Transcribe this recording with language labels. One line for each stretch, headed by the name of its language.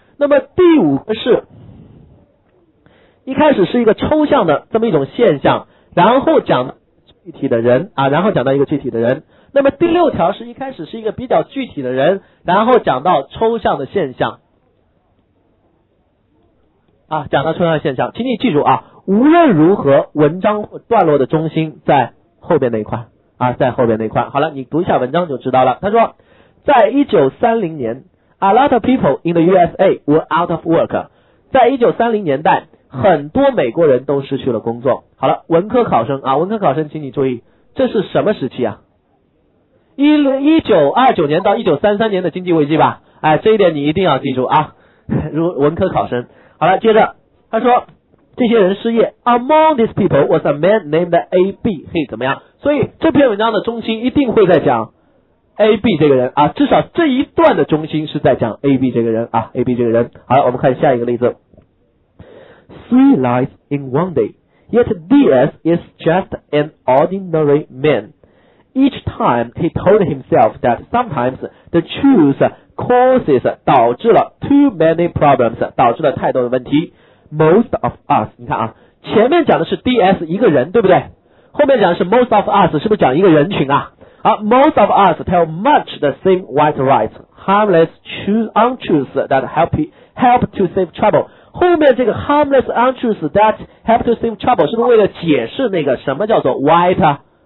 Chinese: 那么第五个是一开始是一个抽象的这么一种现象，然后讲具体的人啊，然后讲到一个具体的人。那么第六条是一开始是一个比较具体的人，然后讲到抽象的现象。啊，讲到重要现象，请你记住啊，无论如何，文章或段落的中心在后边那一块啊，在后边那一块。好了，你读一下文章就知道了。他说，在1930年
English: ，a lot of people in the USA were out of work。
Chinese: 在1930年代，很多美国人都失去了工作。好了，文科考生啊，文科考生，请你注意，这是什么时期啊？ 1929年到1933年的经济危机吧，哎，这一点你一定要记住啊，如文科考生。好了，接着他说，这些人失业
English: ，Among these people was a man named A B，
Chinese: 嘿，怎么样？所以这篇文章的中心一定会在讲 A B 这个人啊，至少这一段的中心是在讲 A B 这个人啊 ，A B 这个人。好了，我们看下一个例子
English: ，Three lives in one day， yet D S is just an ordinary man。 Each time he told himself that sometimes the truth causes
Chinese: 导致了
English: too many problems
Chinese: 导致了太多的问题
English: most of us
Chinese: 你看啊，前面讲的是 DS 一个人对不对，后面讲的是 most of us 是不是讲一个人群啊，啊
English: most of us tell much the same white lies harmless untruths that help to save trouble，
Chinese: 后面这个
English: harmless untruths that help to save trouble
Chinese: 是不是为了解释那个什么叫做
English: white